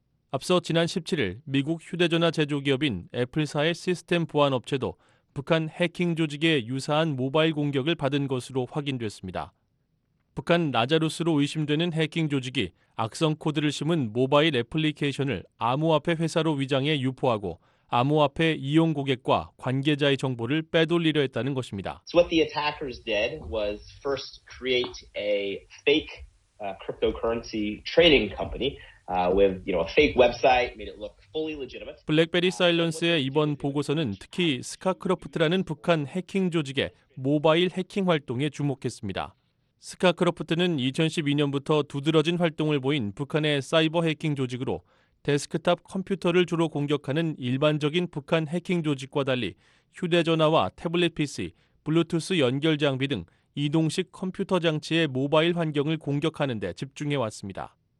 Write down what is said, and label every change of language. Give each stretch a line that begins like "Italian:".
Korean: 앞서 지난 17일 미국 휴대전화 제조기업인 애플사의 시스템 보안 업체도 북한 해킹 조직의 유사한 모바일 공격을 받은 것으로 확인됐습니다. 북한 라자루스로 의심되는 해킹 조직이 악성 코드를 심은 모바일 애플리케이션을 암호화폐 회사로 위장해 유포하고 암호화폐 이용 고객과 관계자의 정보를 빼돌리려 했다는 것입니다.
English: So what the attackers did was first create a fake cryptocurrency trading company with, you know, a fake website, made it look fully legitimate.
Korean: 블랙베리 사일런스의 이번 보고서는 특히 스카크로프트라는 북한 해킹 조직의 모바일 해킹 활동에 주목했습니다. 스카크로프트는 2012년부터 두드러진 활동을 보인 북한의 사이버 해킹 조직으로 데스크탑 컴퓨터를 주로 공격하는 일반적인 북한 해킹 조직과 달리 휴대전화와 태블릿 PC, 블루투스 연결 장비 등 이동식 컴퓨터 장치의 모바일 환경을 공격하는 데 집중해 왔습니다.